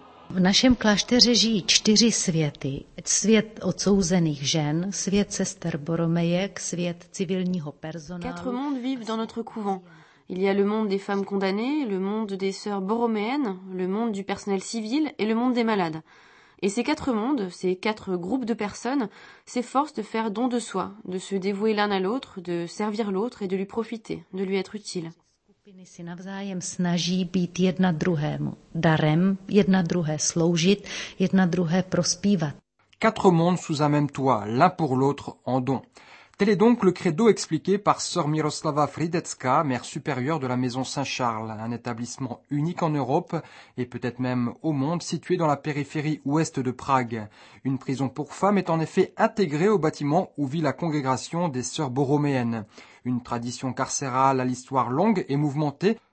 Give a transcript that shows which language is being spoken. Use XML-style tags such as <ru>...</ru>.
<cs>V našem klášteře žijí 4 světy. Svět odsouzených žen, svět sester Boromejek, svět civilního personálu.</cs> <fr>4 mondes vivent dans notre couvent. Il y a le monde des femmes condamnées, le monde des sœurs boroméennes, le monde du personnel civil et le monde des malades. Et ces 4 mondes, ces 4 groupes de personnes, s'efforcent de faire don de soi, de se dévouer l'un à l'autre, de servir l'autre et de lui profiter, de lui être utile.</fr> <cs>Si navzájem snaží být jedna druhému darem, jedna druhé sloužit, jedna druhé prospívat.</cs> <fr>4 mondes sous un même toit, l'un pour l'autre en don. Tel est donc le credo expliqué par sœur Miroslava Fridetska, mère supérieure de la maison Saint-Charles, un établissement unique en Europe et peut-être même au monde situé dans la périphérie ouest de Prague. Une prison pour femmes est en effet intégrée au bâtiment où vit la congrégation des sœurs boroméennes. Une tradition carcérale à l'histoire longue et mouvementée,</fr>